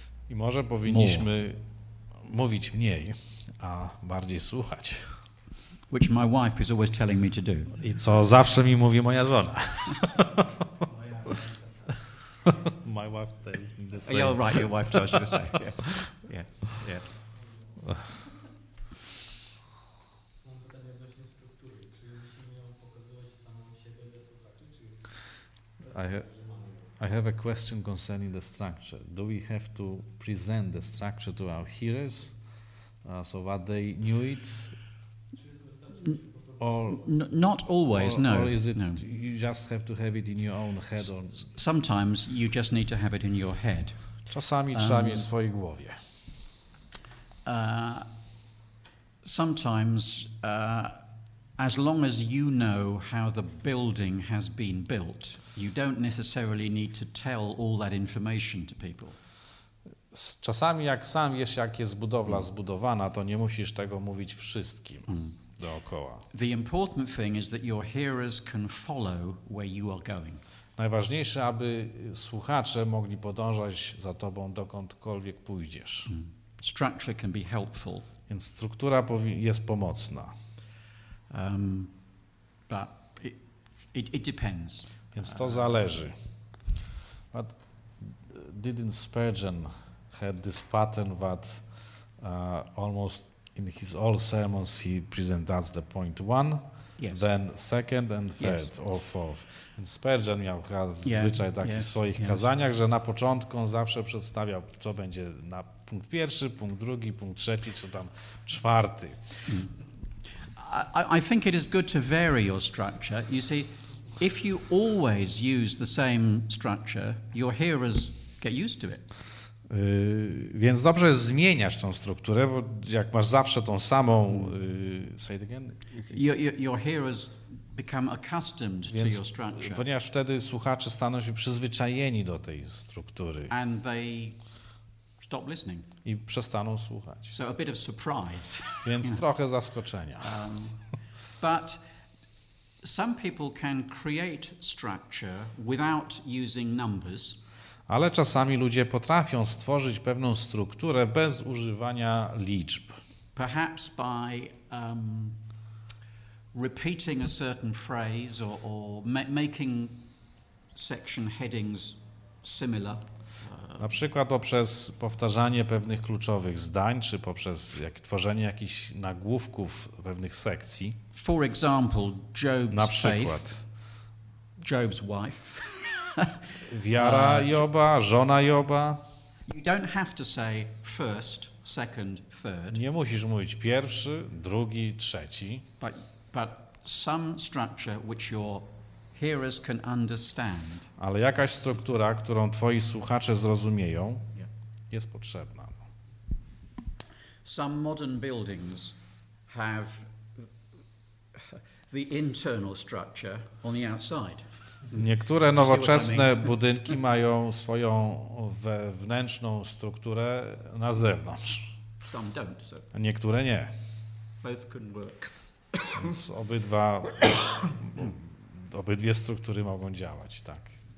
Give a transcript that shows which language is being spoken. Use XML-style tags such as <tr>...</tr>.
<pl>I może powinniśmy mówić mniej, a bardziej słuchać.</pl> <en>Which my wife is always telling me to do.</en> <pl>I co zawsze mi mówi moja żona.</pl> <en>My wife tells me the same. You're right, your wife tells you the same. Yes. Yeah. Yeah.</en> <pl>Mam pytanie odnośnie struktury. Czy musimy ją pokazywać samą siebie do słuchaczy, czy</pl> <en>I have a question concerning the structure. Do we have to present the structure to our hearers so that they knew it? Or not always, or, no. Or is it no. You just have to have it in your own head? Or sometimes you just need to have it in your head.</en> <pl>Czasami trzeba mieć w swojej głowie.</pl> <en>Sometimes, as long as you know how the building has been built, you don't necessarily need to tell all that information to people.</en> <pl>Czasami jak sam wiesz, jak jest budowla zbudowana, to nie musisz tego mówić wszystkim dookoła.</pl> <en>The important thing is that your hearers can follow where you are going.</en> <pl>Najważniejsze, aby słuchacze mogli podążać za tobą dokądkolwiek pójdziesz.</pl> <en>Structure can be helpful.</en> <pl>Więc struktura jest pomocna.</pl> <en>But it depends.</en> <pl>Więc to zależy.</pl> <en>But didn't Spurgeon had this pattern that almost in his all sermons he presents the point one, yes. Then second and third, yes. Or fourth.</en> <pl>And Spurgeon miał zwyczaj taki w swoich kazaniach, że na początku on zawsze przedstawiał, co będzie na punkt pierwszy, punkt drugi, punkt trzeci, czy tam czwarty.</pl> <en>I think it is good to vary your structure. You see, if you always use the same structure, your hearers get used to it.</en> <pl>Więc dobrze jest zmieniać tą strukturę, bo jak masz zawsze tą samą...</pl> <en>Say it again. Your hearers become accustomed</en> <pl>więc,</pl> <en>to your structure.</en> <pl>Ponieważ wtedy słuchacze staną się przyzwyczajeni do tej struktury.</pl> <en>And they stop listening.</en> <pl>I przestaną słuchać.</pl> <en>So a bit of surprise.</en> <pl>Więc trochę zaskoczenia.</pl> <en>But some people can create structure without using numbers.</en> <pl>Ale czasami ludzie potrafią stworzyć pewną strukturę bez używania liczb.</pl> <en>Perhaps by repeating a certain phrase or making section headings similar.</en> <pl>Na przykład poprzez powtarzanie pewnych kluczowych zdań, czy poprzez tworzenie jakichś nagłówków pewnych sekcji.</pl> <en>For example, Job's</en> <pl>na przykład</pl> <en>faith, Job's wife.</en> <pl>Wiara Joba, żona Joba.</pl> <en>You don't have to say first, second, third.</en> <pl>Nie musisz mówić pierwszy, drugi, trzeci.</pl> <en>But some structure which your hearers can understand.</en> <pl>Ale jakaś struktura, którą twoi słuchacze zrozumieją, jest potrzebna.</pl> <en>Some modern buildings have the internal structure on the outside.</en> <pl>Niektóre nowoczesne budynki mają swoją wewnętrzną strukturę na zewnątrz.</pl> <en>Some don't, so.</en> <pl>A niektóre nie.</pl> <en>Both can work.</en> <pl>Więc obydwie struktury mogą działać, tak.</pl>